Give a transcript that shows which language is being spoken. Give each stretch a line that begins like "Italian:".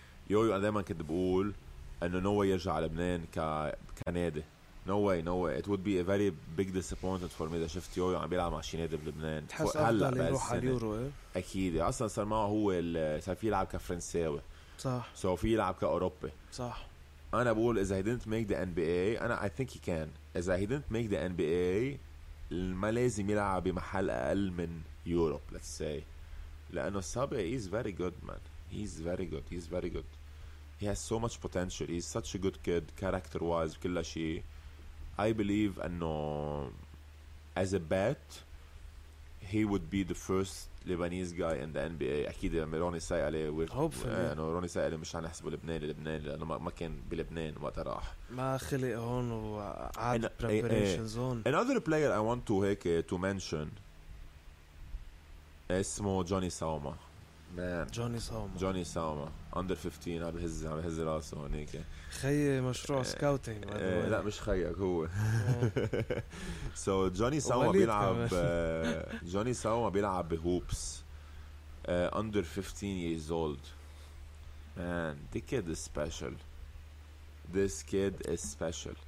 Arabic: يويو انا دائما كنت بقول انه نو واي يرجع لبنان كنادي
English: No way. It would be a very big disappointment for me.
Arabic: إذا شفت يويو عم بيلعب مع شي نادي بلبنان. تحس هلا بيروح على اليورو أكيد. أصلاً صار معه هو صار فيه يلعب كفرنساوي. صح. So فيه يلعب كأوروبي. صح. أنا بقول إذا
English: he didn't make the NBA, أنا I think he can.
Arabic: إذا
English: he didn't make the NBA,
Arabic: ما لازم يلعب بمحل أقل من يوروب.
English: Let's say.
Arabic: لأنه صبي
English: he's very good man. He's very good. He has so much potential. He's such a good kid, character wise,
Arabic: كل شيء.
English: I believe أنه as a bet he would be the first Lebanese guy in the NBA
Arabic: أكيد لما روني سأله
English: hopefully
Arabic: أنه روني سأله مش هنحسبه لبنان لأنه ما كان بلبنان وقت راح ما خلق هون وعاد preparation zone
English: another player I want to هيك to mention اسمه Johnny Sauma Man. Johnny Sauma
Arabic: under 15 عم بهز راسه هونيك خيي مشروع سكاوتين لا مش خيك هو
English: so Johnny Sauma بيلعب Johnny Sauma بيلعب بهوبس under 15 years old man this kid is special this kid is special